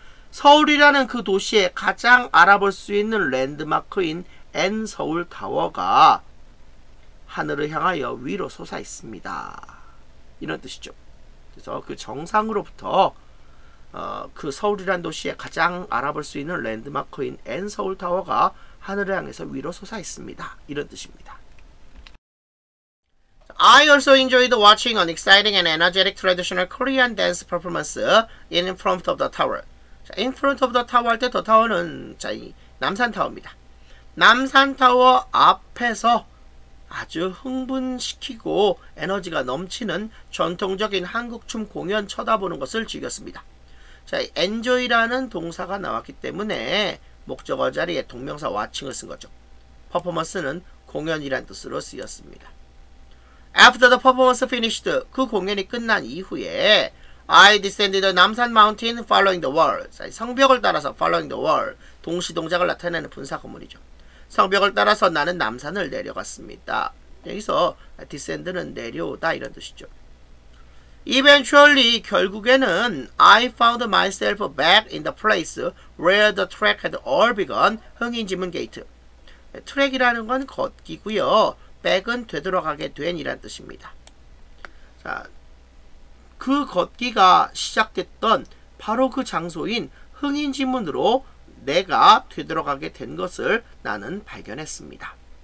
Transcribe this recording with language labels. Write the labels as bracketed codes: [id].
[ko] 서울이라는 그 도시에 가장 알아볼 수 있는 랜드마크인 N서울 타워가 하늘을 향하여 위로 솟아 있습니다. 이런 뜻이죠. 그래서 그 정상으로부터 그 서울이라는 도시에 가장 알아볼 수 있는 랜드마크인 N서울 타워가 하늘을 향해서 위로 솟아 있습니다. 이런 뜻입니다. [en] I also enjoyed watching an exciting and energetic traditional Korean dance performance in front of the tower. [ko] 자, [en] in front of the tower [ko] 할 때 the tower는 자, 이 남산 타워입니다. 남산 타워 앞에서 아주 흥분시키고 에너지가 넘치는 전통적인 한국 춤 공연 쳐다보는 것을 즐겼습니다. 자, enjoy라는 동사가 나왔기 때문에 목적어 자리에 동명사 watching을 쓴 거죠. 퍼포먼스는 공연이란 뜻으로 쓰였습니다. [en] After the performance finished, [ko] 그 공연이 끝난 이후에 [en] I descended the 남산 mountain following the wall. [ko] 성벽을 따라서 [en] following the wall. [ko] 동시 동작을 나타내는 분사 구문이죠. 성벽을 따라서 나는 남산을 내려갔습니다. 여기서 descend는 내려오다 이런 뜻이죠. [en] Eventually, [ko] 결국에는 [en] I found myself back in the place where the track had all begun, 흥인지문 게이트. [ko] 트랙이라는 건 걷기고요. back은 되돌아가게 된이란 뜻입니다. 자, 그 걷기가 시작됐던 바로 그 장소인 흥인지문으로 내가 되돌아가게 된 것을 나는 발견했습니다.